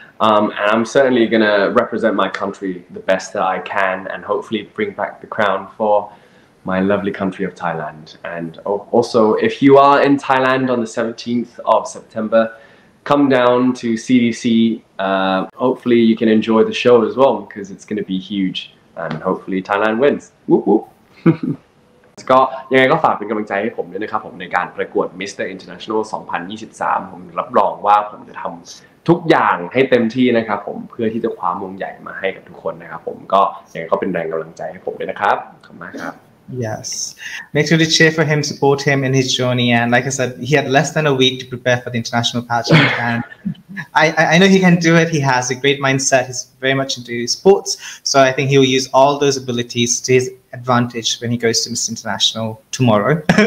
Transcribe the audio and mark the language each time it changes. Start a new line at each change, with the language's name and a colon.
English: And I'm certainly going to represent my country the best that I can and hopefully bring back the crown for my lovely country of Thailand. And also, if you are in Thailand on the 17th of September, come down to CDC. Hopefully you can enjoy the show as well, because it's going to be huge. And hopefully Thailand wins. Whoop whoop.
Thai: ก็ยังไงก็ฝากเป็นกำลังใจให้ผมด้วยนะครับผมในการประกวด Mr. International 2023ผมรับรองว่าผมจะทำทุกอย่างให้เต็มที่นะครับผมเพื่อที่จะคว้ามงใหญ่มาให้กับทุกคนนะครับผมก็ยังไงก็เป็นแรงกำลังใจให้ผมด้วยนะครับขอบคุณมากครับ
English: Yes. Make sure to cheer for him, support him in his journey. And like I said, he had less than a week to prepare for the international pageant. And I know he can do it. He has a great mindset. He's very much into sports. So I think he'll use all those abilities to his advantage when he goes to Miss International tomorrow.